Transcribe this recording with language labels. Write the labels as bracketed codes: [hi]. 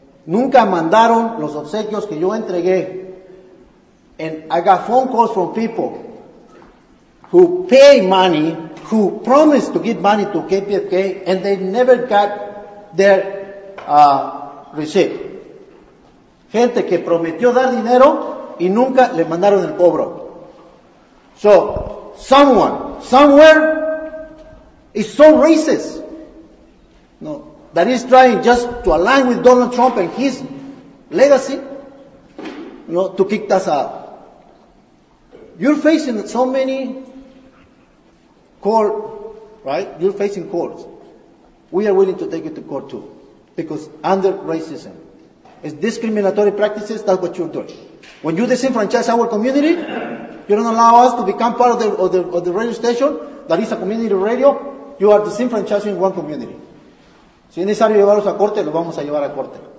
[es] Nunca mandaron los obsequios que yo entregué. [en] And I got phone calls from people who pay money, who promised to give money to KPFK, and they never got their receipt. [es] Gente que prometió dar dinero y nunca le mandaron el cobro. [en] So, someone, somewhere, is so racist, no, that he's trying just to align with Donald Trump and his legacy, no, to kick us out. You're facing so many court, right? You're facing courts. We are willing to take you to court too. Because under racism, it's discriminatory practices, that's what you're doing. When you disenfranchise our community, you don't allow us to become part of the radio station that is a community radio, you are disenfranchising one community. [es] Si es necesario llevarlos a corte, los vamos a llevar a corte.